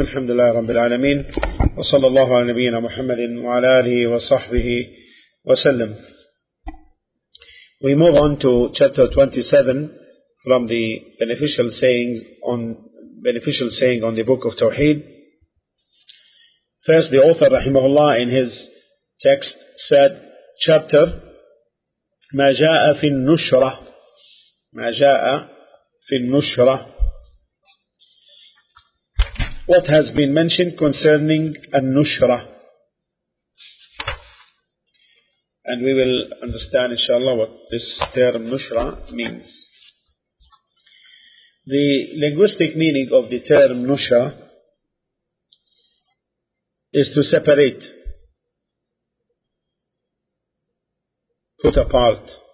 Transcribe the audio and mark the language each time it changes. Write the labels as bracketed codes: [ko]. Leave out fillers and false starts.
[ar] الحمد لله رب العالمين، وصلى الله على نبينا محمد وعلى آله وصحبه وسلم. [en] We move on to chapter 27 from the beneficial sayings on beneficial saying on the book of Tawheed. First, the author [ar] رحمه الله [en] in his text said, chapter [ar] ما جاء في النشرة، [en] ما جاء في النشرة. What has been mentioned concerning An-Nushra? And we will understand, inshallah, what this term Nushra means. The linguistic meaning of the term Nushra is to separate, put apart.